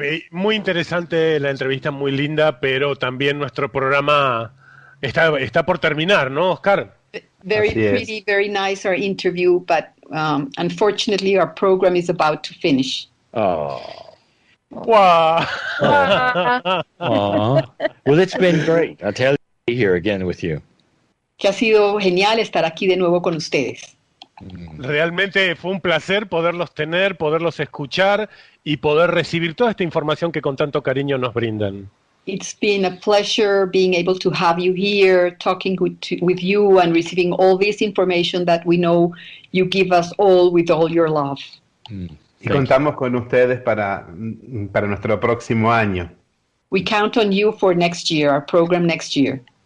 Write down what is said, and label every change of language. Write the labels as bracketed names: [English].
[Spanish] Muy interesante la entrevista, muy linda, pero también nuestro programa está por terminar, ¿no, Oscar? [English] Very pretty, very nice our interview, but unfortunately, our program is about to finish. Oh. Wow. Well, it's been great. I'll tell you to be here again with you. [Spanish] Que ha sido genial estar aquí de nuevo con ustedes. Realmente fue un placer poderlos tener, poderlos escuchar y poder recibir toda esta información que con tanto cariño nos brindan. [English] It's been a pleasure being able to have you here, talking with you and receiving all this information that we know you give us all with all your love. [Spanish] Y contamos con ustedes para nuestro próximo año. [English] We count on you for next year, our program next year.